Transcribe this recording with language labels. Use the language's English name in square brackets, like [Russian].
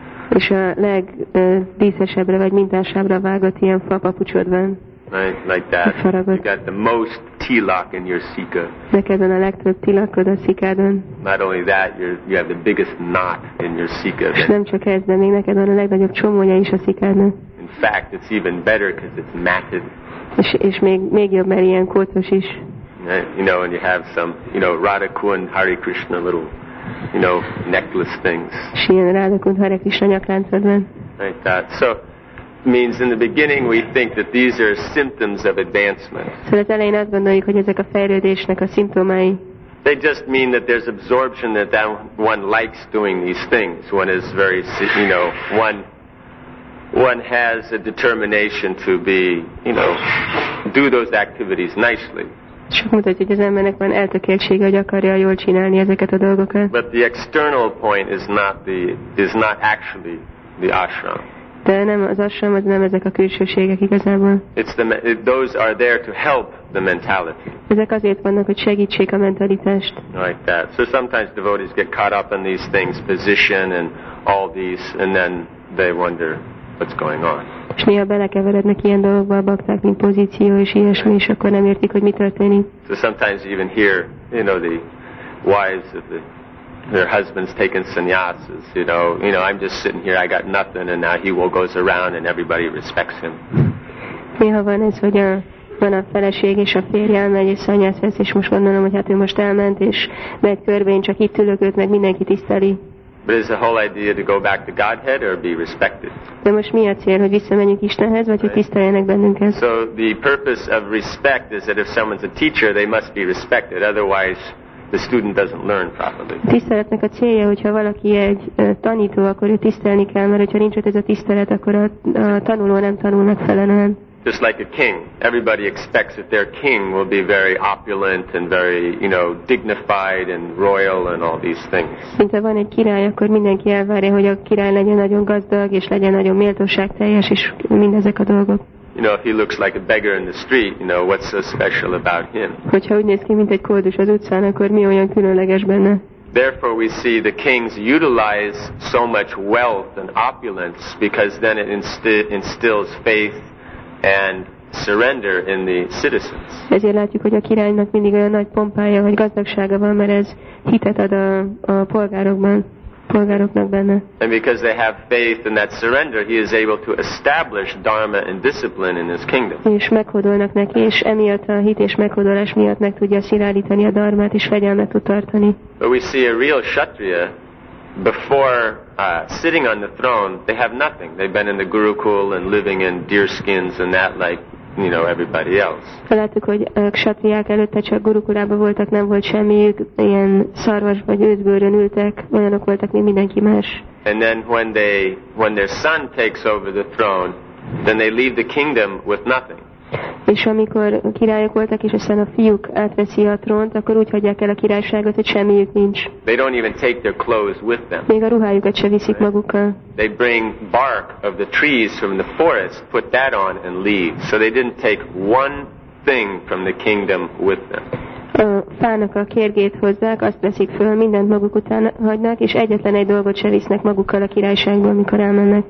[Hungarian] És a legdíszesebbre vagy mintásabbra vágott ilyen fa papucsod van. [English] Right, like that. [Hungarian] Faragott. [English] You got the most tilak in your sika. [Hungarian] Neked van a legtöbb tilakod a szikádon. [English] Not only that, you have the biggest knot in your sika. [Hungarian] És nem csak ez, de még neked van a legnagyobb csomója is a szikádon. [English] In fact, it's even better because it's matted. [Hungarian] És még jobb, mert ilyen kótos is. [English] Right, you know, and you have some, you know, Radha Kund Hare Krishna little, you know, necklace things. [Hungarian] És ilyen Radha Kund Hare Krishna nyakláncod van. [English] Like that. So, means in the beginning we think that these are symptoms of advancement. [Hungarian] Szóval az elején azt gondoljuk, hogy ezek a fejlődésnek a szimptomái. [English] They just mean that there's absorption that one likes doing these things. One is very, you know, one has a determination to be, you know, do those activities nicely. [Hungarian] Csak mutatja, hogy az embernek van eltökéltsége, hogy akarja jól csinálni ezeket a dolgokat. [English] But the external point is not actually the ashram. [Hungarian] De nem az ashram, az nem ezek a külsőségek igazából. [English] Those are there to help the mentality. [Hungarian] Ezek azért vannak, hogy segítsék a mentalitást. [English] Like that. So sometimes devotees get caught up in these things, position and all these, and then they wonder what's going on. [Hungarian] És néha belekeverednek ilyen dolgokba, bakták, mint pozíció és ilyesmi, és akkor nem értik, hogy mi történik. [English] So sometimes even here, you know, the wives of the their husbands taking sannyasas, you know, I'm just sitting here, I got nothing, and now he will goes around and everybody respects him. [Hungarian] Néha van ez, hogy van a feleség és a férje elmegy, és szanyász vesz, és most gondolom, hogy hát ő most elment, és megy körbe, én csak itt ülök, őt meg mindenki tiszteli. [English] But is the whole idea to go back to Godhead or be respected? [Hungarian] De most mi a cél, hogy visszamenjünk Istenhez, vagy hogy tiszteljenek bennünket? [English] So the purpose of respect is that if someone's a teacher, they must be respected, otherwise the student doesn't learn properly. [Hungarian] Tiszteletnek a célja, hogyha valaki egy tanító, akkor ő tisztelni kell, mert hogyha nincs ott ez a tisztelet, akkor a tanuló nem tanul megfelelően. [English] Just like a king, everybody expects that their king will be very opulent and very, you know, dignified and royal and all these things. [Hungarian] Mint ha van egy király, akkor mindenki elvárja, hogy a király legyen nagyon gazdag és legyen nagyon méltóságteljes és mindezek a dolgok. [English] You know, if he looks like a beggar in the street, you know, what's so special about him? [Hungarian] Hogyha úgy néz ki, mint egy koldus az utcán, akkor mi olyan különleges benne? [English] Therefore, we see the kings utilize so much wealth and opulence because then it instills faith and surrender in the citizens. [Hungarian] Ezért látjuk, hogy a királynak mindig olyan nagy pompája vagy gazdagsága van, mert ez hitet ad a polgároknak benne. [English] And because they have faith in that surrender, he is able to establish dharma and discipline in his kingdom. [Hungarian] És meghódolnak neki, és emiatt a hit és meghódolás miatt meg tudja szilárdítani a dharmát és fegyelmet tud tartani. [English] But we see a real kshatriya before sitting on the throne, they have nothing. They've been in the gurukul and living in deer skins and that, like, you know, everybody else. [Hungarian] Láttuk, hogy a ksatriák előtte csak gurukulában voltak, nem volt semmiük, ilyen szarvas vagy őzbőrön ültek, olyanok voltak, mint mindenki más. [English] And then when their son takes over the throne, then they leave the kingdom with nothing. [Hungarian] És amikor királyok voltak, és aztán a fiúk átveszi a trónt, akkor úgy hagyják el a királyságot, hogy semmiük nincs. [English] They don't even take their clothes with them. [Hungarian] Még a ruhájukat sem viszik magukkal. [English] They bring bark of the trees from the forest, put that on and leave. So they didn't take one thing from the kingdom with them. [Hungarian] A fának a kérgét hozzák, azt veszik föl, mindent maguk után hagynak, és egyetlen egy dolgot sem visznek magukkal a királyságból, amikor elmennek.